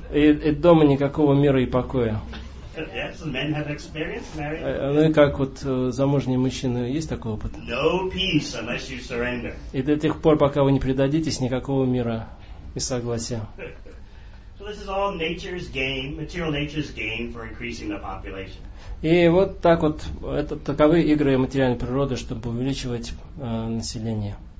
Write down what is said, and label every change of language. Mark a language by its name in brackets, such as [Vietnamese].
[Russian] И дома никакого мира и покоя. [English] Yes, men have experienced marriage. [Russian] Ну и как вот замужние мужчины, есть такой опыт? [English] No peace unless you surrender. [Russian] И до тех пор, пока вы не предадитесь, никакого мира и согласия. [English] So this is all nature's game, material nature's game for increasing the population. [Russian] И вот так вот, это таковы игры материальной природы, чтобы увеличивать население.